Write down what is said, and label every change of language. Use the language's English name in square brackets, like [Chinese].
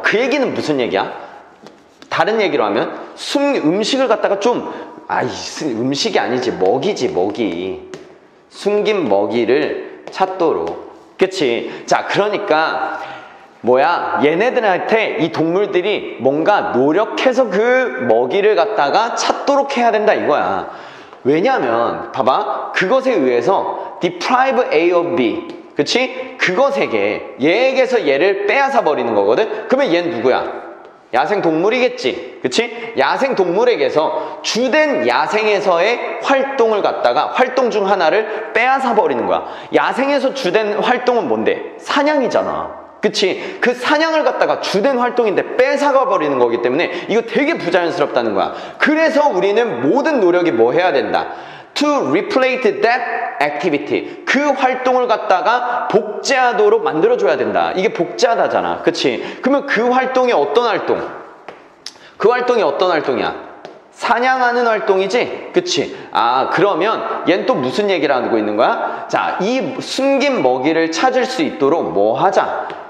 [Korean] 그 얘기는 무슨 얘기야? 다른 얘기로 하면 음식을 갖다가 좀, 아이, 음식이 아니지, 먹이지, 먹이. 숨긴 먹이를 찾도록. 그치? 자, 그러니까 뭐야? 얘네들한테 이 동물들이 뭔가 노력해서 그 먹이를 갖다가 찾도록 해야 된다 이거야. 왜냐면 봐봐. 그것에 의해서 [English] deprive A of B. [Korean] 그치? 그것에게 얘에게서 얘를 빼앗아 버리는 거거든. 그러면 얘는 누구야? 야생 동물이겠지. 그치? 야생 동물에게서 주된 야생에서의 활동을 갖다가 활동 중 하나를 빼앗아 버리는 거야. 야생에서 주된 활동은 뭔데? 사냥이잖아. 그치? 그 사냥을 갖다가 주된 활동인데 뺏어가 버리는 거기 때문에 이거 되게 부자연스럽다는 거야. 그래서 우리는 모든 노력이 뭐 해야 된다? [English] To replace that activity. [Korean] 그 활동을 갖다가 복제하도록 만들어줘야 된다. 이게 복제하다잖아. 그치? 그러면 그 활동이 어떤 활동? 그 활동이 어떤 활동이야? 사냥하는 활동이지? 그치? 아, 그러면 얜 또 무슨 얘기를 하고 있는 거야? 자, 이 숨긴 먹이를 찾을 수 있도록 뭐 하자?